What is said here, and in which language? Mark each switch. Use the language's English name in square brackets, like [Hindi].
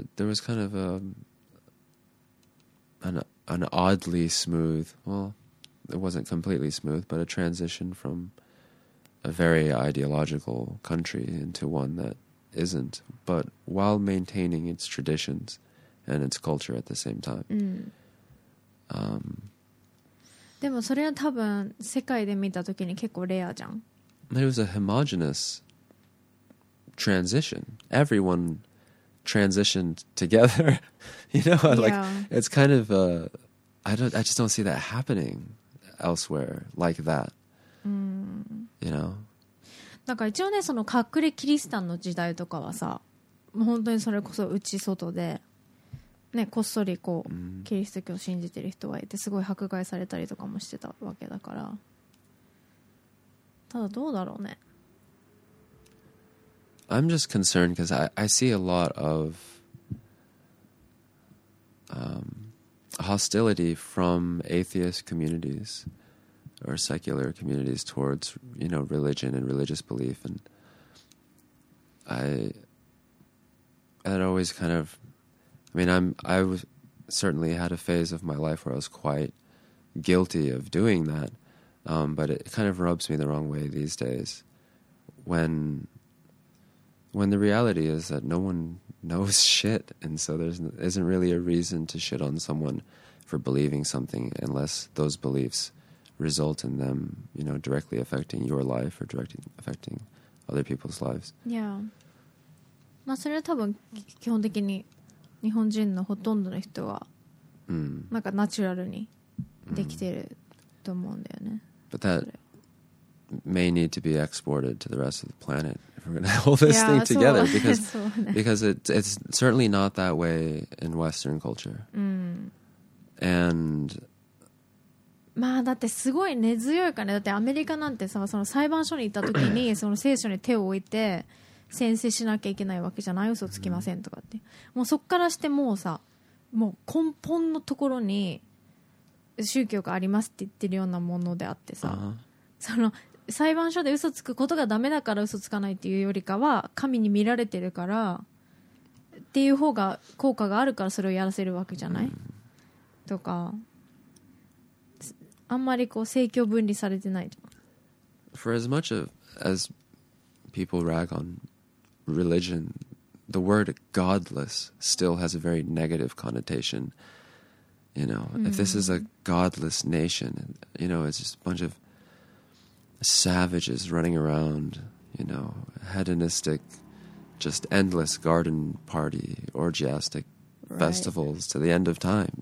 [English] there was kind of an oddly smooth, well, it wasn't completely smooth, but a transition from a very ideological country into one that isn't, but while maintaining its traditions and its culture at the same time. [Japanese] でもそれは多分世界で見たときに結構レアじゃん。 [English] It was a homogeneous transition. Everyone transitioned together. You know, like, yeah. It's kind of, I just don't see that happening elsewhere like that. You know? [Japanese] なんか一応ね、その隠れキリシタンの時代とかはさ、もう本当にそれこそ内外で、ね、こっそりこう、キリスト教を信じてる人がいて、すごい迫害されたりとかもしてたわけだから。ただどうだろうね。 [English] I'm just concerned because I see a lot of hostility from atheist communities or secular communities towards, you know, religion and religious belief. And I certainly had a phase of my life where I was quite guilty of doing that. But it kind of rubs me the wrong way these days when the reality is that no one knows shit, and so there isn't really a reason to shit on someone for believing something unless those beliefs result in them, you know, directly affecting your life or directly affecting other people's lives. Yeah. [Japanese] まあそれは多分基本的に日本人のほとんどの人はなんかナチュラルにできてると思うんだよね。 [English] But that may need to be exported to the rest of the planet if we're going to hold this thing together. Because it's certainly not that way in Western culture. And... [Japanese] まあだってすごい根強いからね。だってアメリカなんてさ、その裁判所に行った時にその聖書に手を置いて宣誓しなきゃいけないわけじゃない、嘘つきませんとかって。もうそっからしてもうさ、もう根本のところに宗教がありますって言ってるようなものであってさ、その裁判所で嘘つくことがダメだから嘘つかないっていうよりかは、神に見られてるからっていう方が効果があるからそれをやらせるわけじゃない、とか、あんまりこう政教分離されてないと。 [English] For as much as people rag on religion, the word godless still has a very negative connotation. You know, if this is a godless nation, you know, it's just a bunch of savages running around, you know, hedonistic, just endless garden party, orgiastic festivals to the end of time.